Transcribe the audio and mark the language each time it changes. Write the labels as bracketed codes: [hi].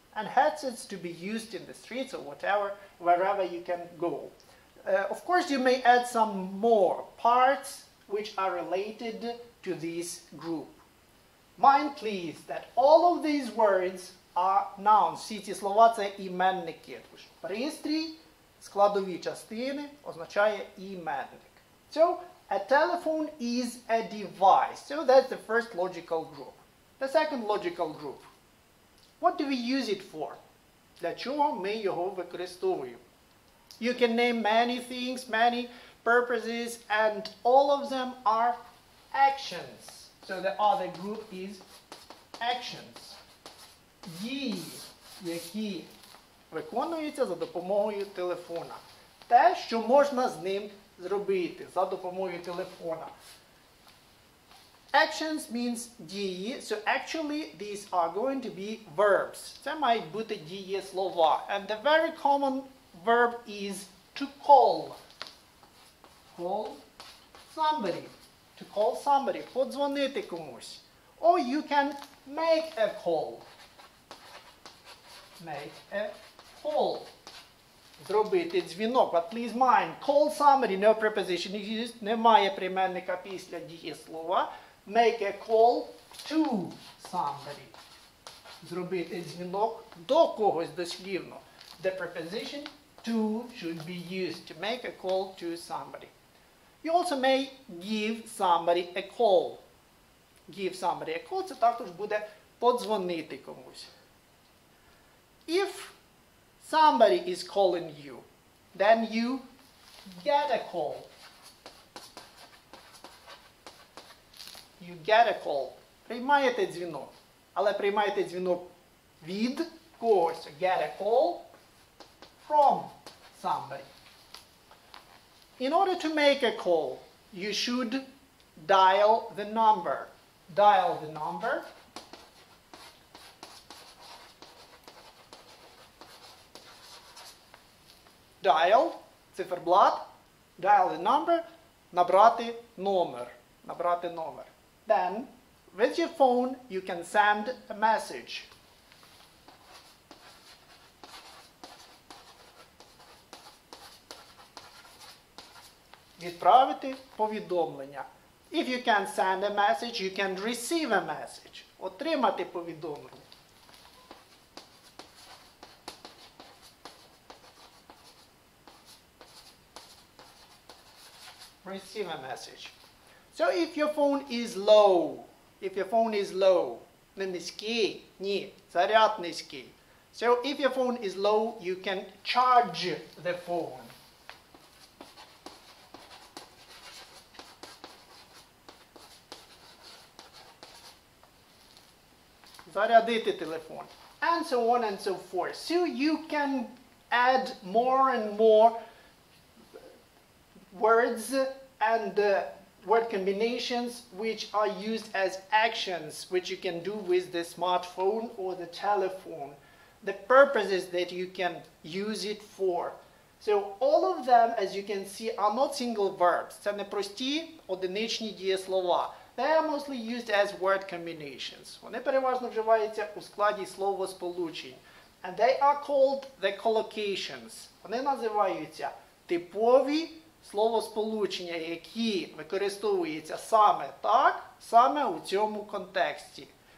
[en] And headsets to be used in the streets or whatever, wherever you can go. Of course, you may add some more parts which are related to this group. Mind please that all of these words are nouns. [uk] Всі ці слова – це іменники. Пристрій, складові частини, означає іменник. [en] So, a telephone is a device. So, that's the first logical group. The second logical group. What do we use it for? [uk] Для чого ми його використовуємо? [en] You can name many things, many purposes, and all of them are actions. So, the other group is actions. [uk] Дії, які виконуються за допомогою телефона. Те, що можна з ним зробити за допомогою телефона. [en] Actions means [uk] дії. [en] So actually these are going to be verbs. [uk] Це мають бути дієслова. [en] And the very common verb is to call. Call somebody. To call somebody. [uk] Подзвонити комусь. [en] Or you can make a call. Make a call. [uk] Зробити дзвінок. [en] But please mind, call somebody, no preposition is used, [uk] немає прийменника після дієслова. [en] Make a call to somebody. [uk] Зробити дзвінок до когось дослівно. [en] The preposition to should be used to make a call to somebody. You also may give somebody a call. Give somebody a call, [uk] це також буде подзвонити комусь. [en] If somebody is calling you, then you get a call. You get a call. [uk] Приймаєте дзвінок. Але приймаєте дзвінок від когось. [en] So get a call from somebody. In order to make a call, you should dial the number. Dial the number. [uk] Dial, циферблат, [en] dial the number, [uk] набрати номер, набрати номер. [en] Then, with your phone, you can send a message. [uk] Відправити повідомлення. [en] If you can send a message, you can receive a message. [uk] Отримати повідомлення. [en] Receive a message. So if your phone is low, [uk] не низький, ні, заряд низький. [en] So if your phone is low, you can charge the phone. [uk] Зарядити телефон. [en] And so on and so forth. So you can add more and more words and word combinations which are used as actions which you can do with the smartphone or the telephone. The purposes that you can use it for. So all of them, as you can see, are not single verbs. [uk] Це не прості одиничні дієслова. [en] They are mostly used as word combinations. [uk] Вони переважно вживаються у складі словосполучень. [en] And they are called the collocations. [uk] Вони називаються типові словосполучення, які використовуються саме так, саме у цьому контексті.